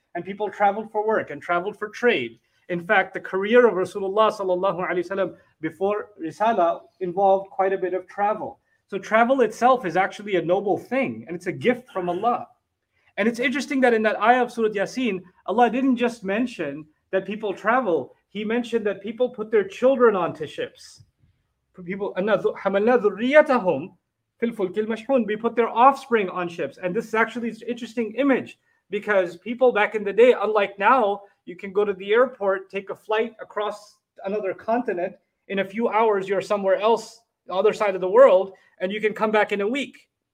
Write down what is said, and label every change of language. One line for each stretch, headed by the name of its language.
English: And people traveled for work and traveled for trade. In fact, the career of Rasulullah sallallahu alaihi wasallam before Risala involved quite a bit of travel. So travel itself is actually a noble thing, and it's a gift from Allah. And it's interesting that in that ayah of Surah Yasin, Allah didn't just mention that people travel. He mentioned that people put their children onto ships. People,
Arabic: حَمَلْنَا ذُرِّيَّتَهُمْ فِي الْفُلْكِ الْمَشْحُونَ.
English: We put their offspring on ships. And this is actually an interesting image, because people back in the day, unlike now, you can go to the airport, take a flight across another continent. In a few hours, you're somewhere else, the other side of the world, and you can come back in a week.